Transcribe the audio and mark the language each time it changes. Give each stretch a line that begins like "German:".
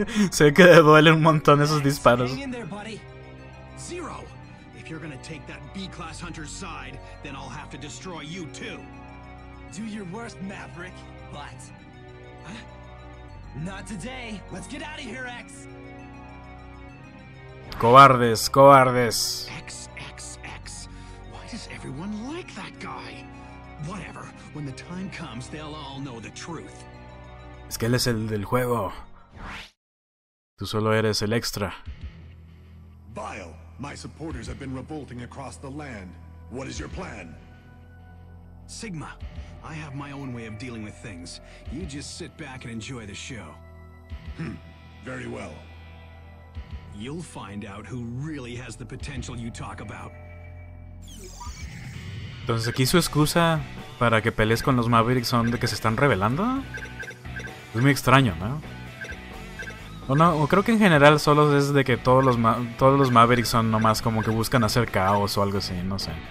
Spanish: Sé que le duele un montón esos disparos. Zero.
English: If you're gonna take that B-class hunter's side, then I'll have to destroy you too. Do your worst, Maverick. But not today. Let's get out of here, X.
Spanish: Cobardes, cobardes. X, X, X.
English: Why does everyone like that guy? Whatever. When the time comes, they'll all know the truth.
Spanish: Es que él es el del juego. Tú solo eres el extra.
English: Vile. My supporters have been revolting across the land. What is your plan? Sigma, I have my own way of dealing with things. You just sit back and enjoy the show. Hmm, very well. You'll find out who really has the potential you talk about.
Spanish: Entonces aquí su excusa para que pelees con los Mavericks son de que se están rebelando. Es muy extraño, ¿no? No, creo que en general solo es de que todos los Mavericks son nomás como que buscan hacer caos o algo así, no sé.